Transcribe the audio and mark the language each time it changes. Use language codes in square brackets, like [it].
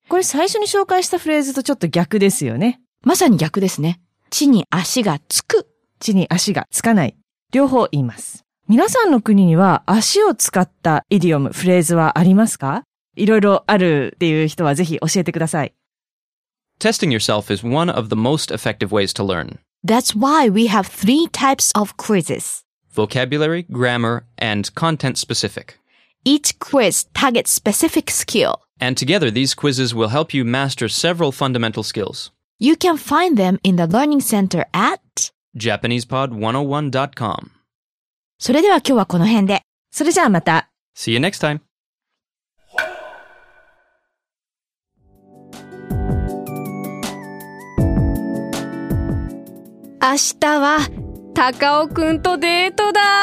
[ja] これ最初に紹介したフレーズとちょっと逆ですよね。まさに逆ですね。地に足がつく。地に足がつかない。両方言います。皆さんの国には足を使ったイディオム、フレーズはありますか？いろいろあるっていう人はぜひ教えてください。 [en] Testing yourself is one of the most effective ways to learn. That's why we have three types of quizzes. Vocabulary, grammar, and content specific. Each quiz targets specific skill. And together, these quizzes will help you master several fundamental skills. You can find them in the Learning Center at JapanesePod101.com. [ja] それでは今日はこの辺で。それじゃあまた。 [en] See you next time. [ja] あしたは、たかおくんとデートだ。